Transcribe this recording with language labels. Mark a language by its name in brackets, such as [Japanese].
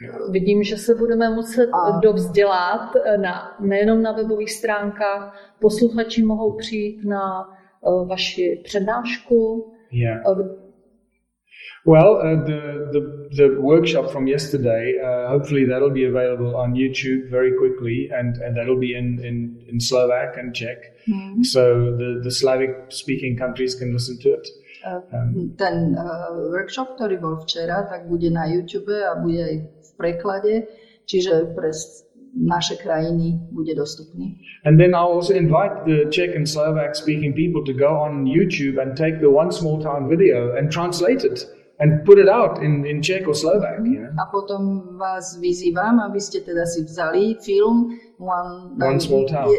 [Czech] Vidím, že se budeme muset dovzdělat nejenom na webových stránkách. Posluchači mohou přijít na vaši přednášku. [English] Yeah. Well, the workshop from yesterday, hopefully that'll be available on YouTube very quickly and that'll be in Slovak and Czech. So the Slavic speaking countries can listen to it. [Slovak] Ten workshop, ktorý bol včera, tak bude na YouTube a bude aj v preklade, čiže pre naše krajiny bude dostupný. [English] And then I also invite the Czech and Slovak speaking people to go on YouTube and take the one small town video and translate it and put it out in Czech or Slovak. Yeah. [Slovak] A potom vás vyzývam, aby ste teda si vzali film [English] One small town.